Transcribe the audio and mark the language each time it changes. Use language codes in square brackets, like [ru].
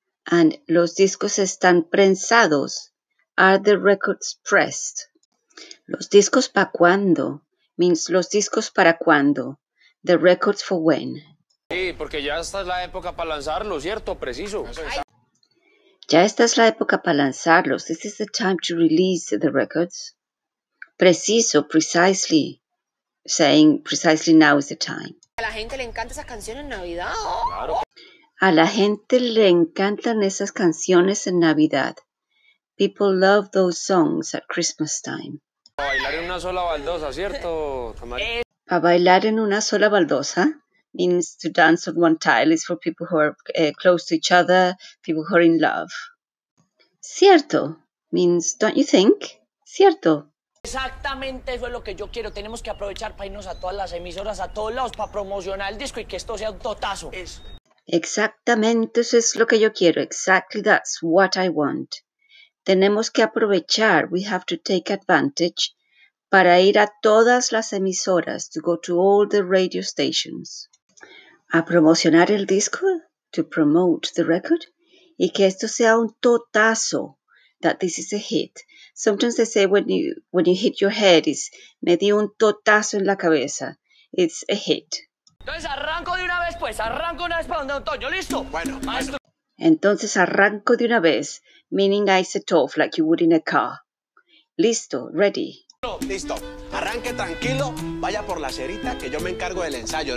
[es] And los discos están prensados. [en] Are the records pressed? [es] Los discos pa' cuando means los discos para cuando. [en] The records for when. [es] Sí, porque ya esta es la época para lanzarlo, ¿cierto? Preciso. Ya esta es la época para lanzarlos. [en] This is the time to release the records. Preciso, precisely, saying precisely now is the time. [es] A la gente le encantan esas canciones en Navidad. A la gente le encantan esas canciones en Navidad. [en] People love those songs at Christmas time. [es] Para bailar en una sola baldosa, ¿cierto, Tamara? Para bailar en una sola baldosa [en] means to dance on one tile. It's for people who are close to each other, people who are in love. Cierto means, don't you think? Cierto. [es] Exactamente, eso es lo que yo quiero. Tenemos que aprovechar para irnos a todas las emisoras, a todos lados, para promocionar el disco y que esto sea un totazo. Eso. Exactamente, eso es lo que yo quiero. [en] Exactly, that's what I want. [es] Tenemos que aprovechar, [en] we have to take advantage, [es] para ir a todas las emisoras, [en] to go to all the radio stations. [es] A promocionar el disco, [en] to promote the record, [es] y que esto sea un totazo. [en] That this is a hit. Sometimes they say when you hit your head, it's [es] me dio un totazo en la cabeza. [en] It's a hit. [es] Entonces arranco de una vez, pues. Arranco una vez para donde Antonio. ¿Listo? Bueno, maestro. Entonces arranco de una vez, [en] meaning I set off like you would in a car. [es] Listo, ready. Listo. Arranque tranquilo. Vaya por la cerita que yo me encargo del ensayo.